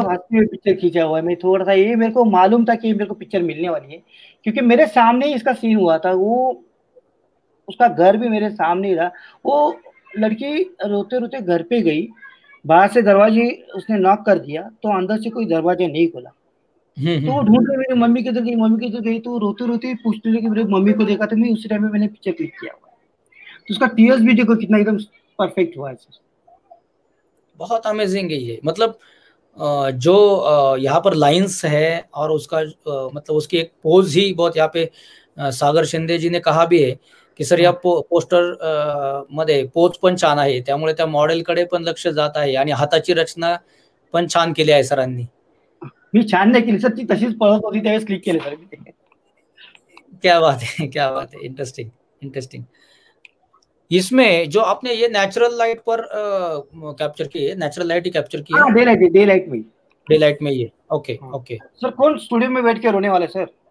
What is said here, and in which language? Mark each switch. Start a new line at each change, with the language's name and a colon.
Hindi: हंसते हुए पिक्चर खींचा हुआ है, मैं थोड़ा सा ये मेरे को मालूम था कि मेरे को पिक्चर मिलने वाली है, क्योंकि मेरे सामने ही इसका सीन हुआ था, वो उसका घर भी मेरे सामने ही रहा, वो लड़की रोते रोते घर पे गई, बाहर से दरवाजे उसने नॉक कर दिया तो अंदर से कोई दरवाजा नहीं खोला, तो वो ढूंढ रही मेरी मम्मी किधर गई, मम्मी किधर गई, तो रोते रोते पूछते रहे कि मेरे मम्मी को देखा था, मैं उस टाइम में मैंने पिक्चर क्लिक किया हुआ, तो उसका टीयर्स भी देखो कितना एकदम परफेक्ट हुआ है सर। बहुत अमेजिंग है ये, मतलब जो यहाँ पर लाइंस है और उसका मतलब उसकी एक पोज ही बहुत, यहाँ पे सागर शिंदे जी ने कहा भी है कि सर
Marathi: या पोस्टर मध्ये पोज पण छान आहे, त्यामुळे त्या मॉडेलकडे पण लक्ष जात आहे आणि हाताची रचना पण छान केली आहे सरांनी। मी छान नाही केली सर, ती तशीच पळत होती, त्यावेळेस क्लिक केले सर मी ते।
Hindi: क्या बात है, क्या बात है, इंटरेस्टिंग इंटरेस्टिंग। इसमें जो आपने ये नेचुरल लाइट पर कैप्चर की है, नेचुरल लाइट ही कैप्चर की है डे लाइट में। हाँ डेलाइट में ये, ओके ओके। सर, कौन स्टूडियो में बैठ के रोने वाले सर,